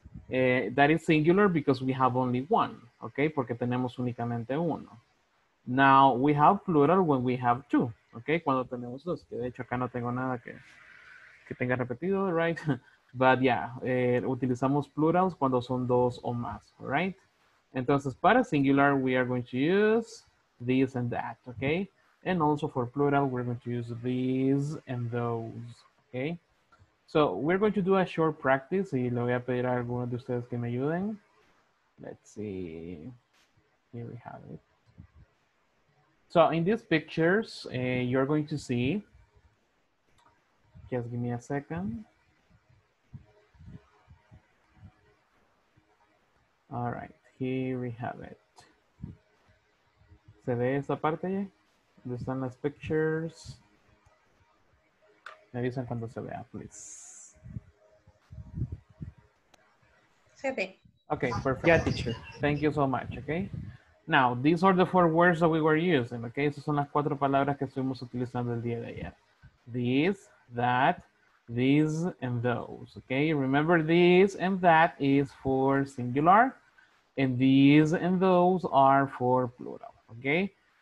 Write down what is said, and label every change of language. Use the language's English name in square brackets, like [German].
[English] That is singular because we have only one, okay? [Spanish] Porque tenemos únicamente uno. [English] Now, we have plural when we have two, okay? [Spanish] Cuando tenemos dos. Que de hecho, acá no tengo nada que tenga repetido, right? But yeah, utilizamos plurals cuando son dos o más, right? Entonces, para singular, [English] we are going to use this and that, okay? And also for plural, we're going to use these and those, okay? So, we're going to do a short practice. [Spanish] Y le voy a pedir a algunos de ustedes que me ayuden. [English] Let's see. Here we have it. So, in these pictures, you're going to see. Just give me a second. All right, here we have it. [Spanish] ¿Se ve esa parte? ¿Dónde están las pictures? Me avisan cuando se vea, please. Se ve. [English] Okay, perfect. Yeah, teacher. Thank you so much, okay? Now, these are the four words that we were using, okay? [Spanish] Esas son las cuatro palabras que estuvimos utilizando el día de ayer. [English] These, that, these and those, okay? Remember, these and that is for singular, and these and those are for plural, okay?